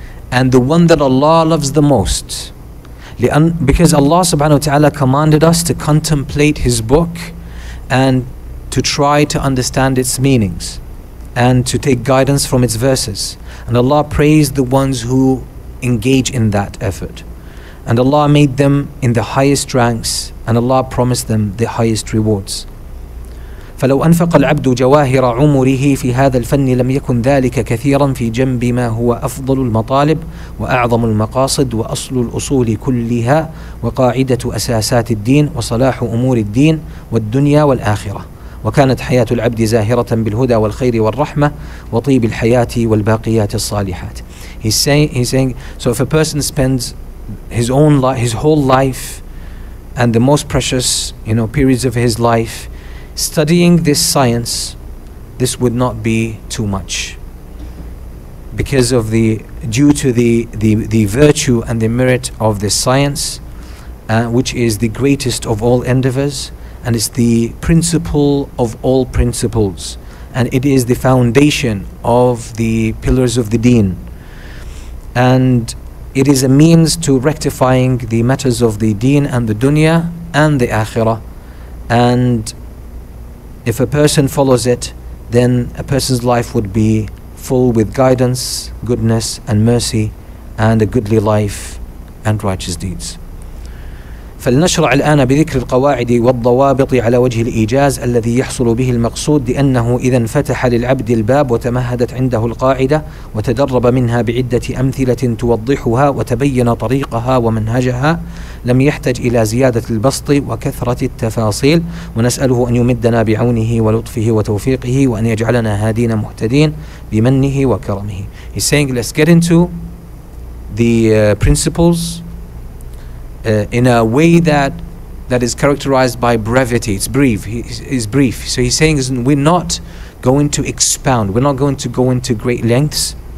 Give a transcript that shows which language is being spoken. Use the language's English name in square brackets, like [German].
[English] And the one that Allah loves the most. Because Allah subhanahu wa ta'ala commanded us to contemplate His book and to try to understand its meanings and to take guidance from its verses. And Allah praised the ones who engage in that effort. And Allah made them in the highest ranks, and Allah promised them the highest rewards. [Arabic] فَلَوْ أَنْفَقَ الْعَبْدُ جَوَاهِرَ عُمُرِهِ فِي هَذَا الْفَنِّ لَمْ يَكُنْ ذَلِكَ كَثِيرًا فِي جَنْبِ مَا هُوَ أَفْضَلُ الْمَطَالِبِ وَأَعْظَمُ الْمَقَاصِدِ وَأَصْلُ الْأُصُولِ كُلِّهَا وَقَاعِدَةُ أَسَاسَاتِ الدِّينِ وَصَلَاحُ أُمُورِ الدِّينِ وَالدُّنْيَا وَالْآخِرَةِ وكانت حياة العبد زاهرة بالهدى والخير والرحمة وطيب الحياة والباقيات الصالحات. [English] He's saying, so if a person spends his own life, his whole life, and the most precious, you know, periods of his life studying this science, this would not be too much, because of the due to the virtue and the merit of this science, which is the greatest of all endeavors. And it's the principle of all principles. and it is the foundation of the pillars of the deen. And it is a means to rectifying the matters of the deen and the dunya and the akhirah. And if a person follows it, then a person's life would be full with guidance, goodness and mercy, and a goodly life and righteous deeds. [Arabic] فلنشرع الآن بذكر القواعد والضوابط على وجه الإيجاز الذي يحصل به المقصود لأنه إذا فتح للعبد الباب وتمهدت عنده القاعدة وتدرب منها بعدة أمثلة توضحها وتبين طريقها ومنهجها لم يحتج إلى زيادة البسط وكثرة التفاصيل ونسأله أن يمدنا بعونه ولطفه وتوفيقه وأن يجعلنا هادين مهتدين بمنه وكرمه. [English] He's saying, let's get into the principles in a way that is characterized by brevity. It's brief. He's brief. So he's saying, we're not going to expound. We're not going to go into great lengths.